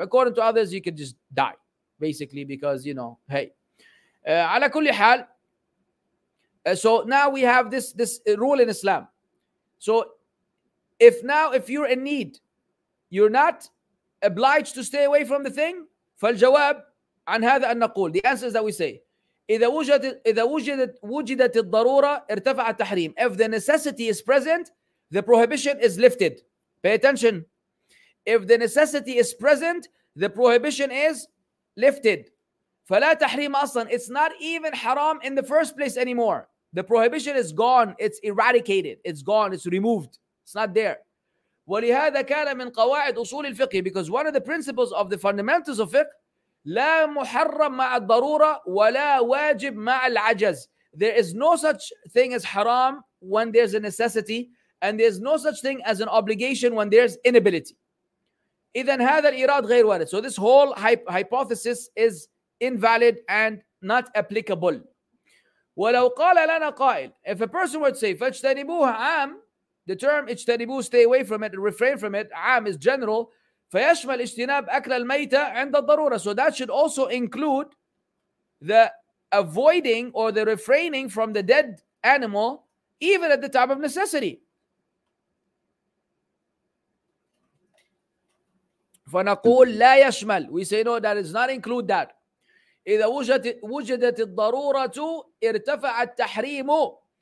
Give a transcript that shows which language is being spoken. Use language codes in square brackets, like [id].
[en] According to others, you could just die, basically, because, you know, hey. [ar] على كل حال, [en] so now we have this rule in Islam. So if you're in need, you're not obliged to stay away from the thing. [ar] فالجواب عن هذا أن نقول. [en] The answer is that we say, [ar] إذا وجدت الضرورة ارتفع التحريم. [en] If the necessity is present, the prohibition is lifted. Pay attention. If the necessity is present, the prohibition is lifted. [ar] فلا تحريم أصلاً. [en] It's not even haram in the first place anymore. The prohibition is gone. It's eradicated. It's gone. It's removed. It's not there. [ar] وَلِهَذَا كَانَ مِنْ قَوَاعِدُ أُصُولِ الْفِقْهِ. [en] Because one of the principles of the fundamentals of fiqh, [ar] لا محرم مع الضرورة ولا واجب مع العجز. [en] There is no such thing as haram when there's a necessity, and there's no such thing as an obligation when there's inability. [ar] إذن هذا الإيراد غير وارد. [en] So this whole hypothesis is invalid and not applicable. [ar] ولو قال لنا قائل, [en] if a person would say [ar] فاجتنبوه عام, [en] the term اجتنبوه, stay away from it, refrain from it, عام is general, [ar] فيشمل اجتناب أكل الميتة عند الضرورة. [en] So that should also include the avoiding or the refraining from the dead animal even at the time of necessity. [ar] فنقول لا يشمل. [en] We say no, that does not include that. [ar] إذا وجدت الضرورة ارتفع التحريم.